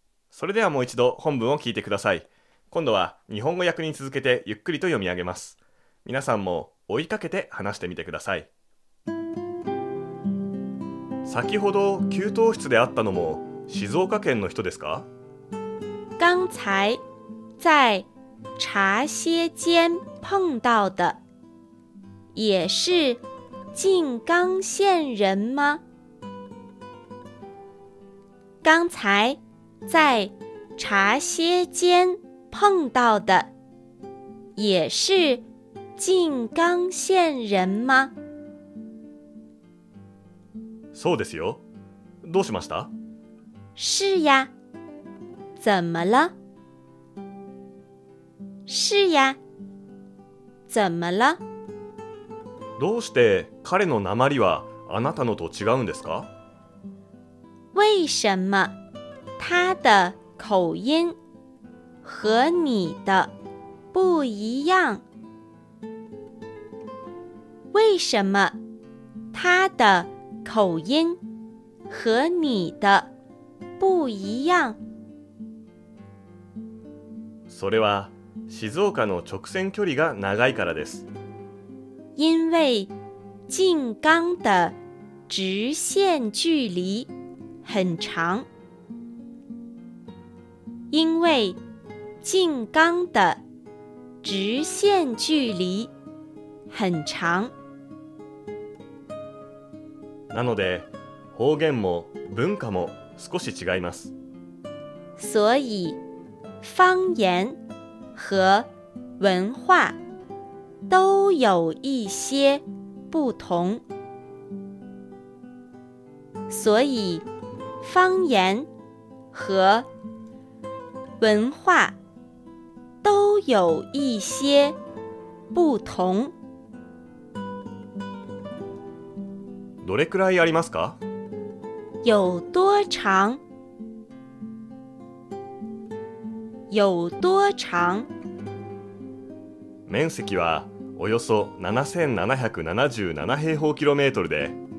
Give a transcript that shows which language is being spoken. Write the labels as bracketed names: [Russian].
[Japanese] それではもう一度本文を聞いてください。今度は日本語訳に続けてゆっくりと読み上げます。皆さんも追いかけて話してみてください。先ほど給湯室で会ったのも静岡県の人ですか？ [Chinese] 刚才在茶歇间碰到的也是静冈县人吗？刚才在茶歇间碰到的也是静冈县人吗？ [Japanese] そうですよ。どうしました？ [Chinese] 是呀。怎么了？是呀。怎么了？ [Japanese] どうして彼の訛りはあなたのと違うんですか？ [Chinese] 为什么他的口音和你的不一样？为什么他的口音和你的不一样？ [Japanese] それは静岡の直線距離が長いからです。 [Chinese] 因为静冈的直线距离很长。因为静冈的直线距离很长。 [Japanese] なので方言も文化も少し違います。 [Chinese] 所以方言和文化都有一些不同。所以方言和文化都有一些不同。 [Japanese] どれくらいありますか？ [Chinese] 有多长？有多长？ [Japanese] 面積はおよそ7777平方キロメートルで。